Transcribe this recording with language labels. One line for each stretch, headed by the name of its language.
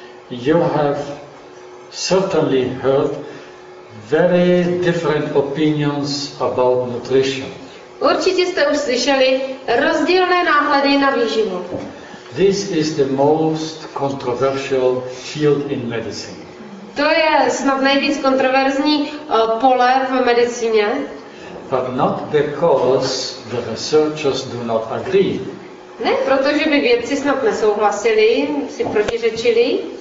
English: You have certainly heard very different opinions about nutrition.
Czech: Určitě jste už slyšeli rozdílné náhledy na výživu.
English: This is the most controversial field in medicine.
Czech: To je snad nejvíc kontroverzní pole v medicíně.
English: But not because the researchers do not agree.
Czech: Ne, protože by vědci snad nesouhlasili, si protiřečili.